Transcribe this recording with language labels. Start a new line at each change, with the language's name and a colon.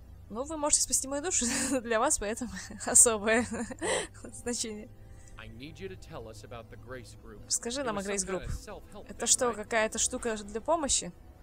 Russian: Ну, вы можете спасти мою душу, для вас поэтому особое значение.
English: I need you to tell us about the Grace Group.
Russian: Скажи нам о Grace Group. Это что, какая-то штука для помощи?